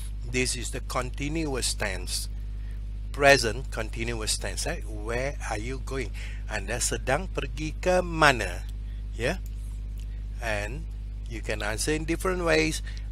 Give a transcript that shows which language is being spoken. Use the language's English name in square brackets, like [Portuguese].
[English] This is the continuous tense. Present continuous tense. Right? Where are you going? [Malay] Anda sedang pergi ke mana? [English] Yeah? And you can answer in different ways.